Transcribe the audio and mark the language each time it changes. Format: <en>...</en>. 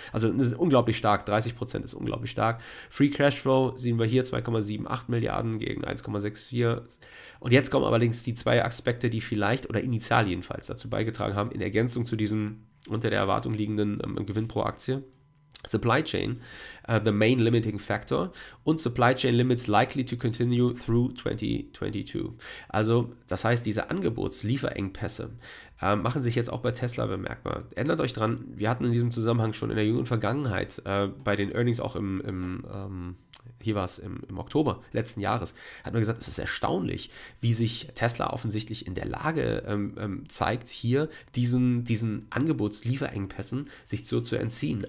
<de>Also das ist unglaublich stark, 30% ist unglaublich stark. Free Cashflow sehen wir hier, 2,78 Milliarden gegen 1,64. Und jetzt kommen allerdings die zwei Aspekte, die vielleicht oder initial jedenfalls dazu beigetragen haben, in Ergänzung zu diesem unter der Erwartung liegenden Gewinn pro Aktie.</de> <en>Supply Chain, the main limiting factor, und Supply Chain Limits likely to continue through 2022.</en> <de>Also, das heißt, diese Angebotslieferengpässe machen sich jetzt auch bei Tesla bemerkbar. Erinnert euch dran, wir hatten in diesem Zusammenhang schon in der jüngeren Vergangenheit bei den Earnings auch im Oktober letzten Jahres, hat man gesagt, es ist erstaunlich, wie sich Tesla offensichtlich in der Lage zeigt, hier diesen Angebotslieferengpässen sich zu entziehen.</de>